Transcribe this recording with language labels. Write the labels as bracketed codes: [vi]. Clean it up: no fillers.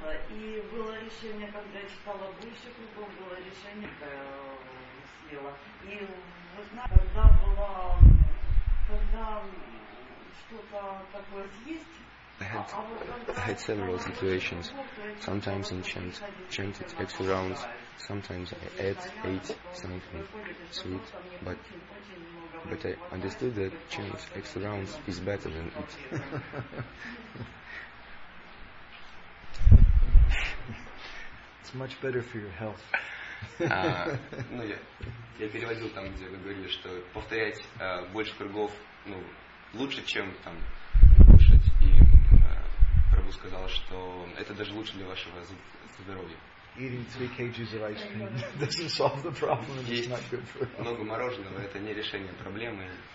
[ru] И было решение, когда я читала больше кругов, было решение, когда съела. И вы знаете, когда была, когда что-то такое съесть, [en] I had several situations. Sometimes in chanted extra rounds, sometimes I ate something sweet, but I understood that chanted extra rounds is better than it. It's much better for your health. [ru] Ну я переводил там, где вы говорили, что повторять больше кругов, ну, лучше, чем там кушать. И Прабу сказал, что это даже лучше для вашего здоровья. [en] Eating 3 kgs of ice cream doesn't solve the problem. [ru] Есть [en] it's not good for health. [ru] Много мороженого – это не решение проблемы.